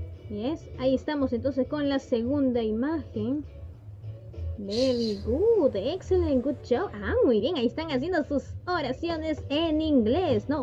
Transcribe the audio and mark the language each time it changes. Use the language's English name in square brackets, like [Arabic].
[Spanish] Yes, ahí estamos entonces con la segunda imagen. [English] Very good, excellent, good job. [Spanish] Ah, muy bien, ahí están haciendo sus oraciones en inglés, ¿no?